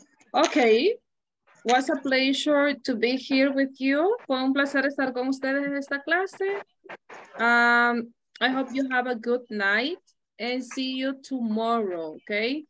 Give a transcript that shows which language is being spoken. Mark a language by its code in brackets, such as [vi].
[en] Okay, what's a pleasure to be here with you. [es] Fue un placer estar con ustedes en esta clase. [en] I hope you have a good night and see you tomorrow, okay?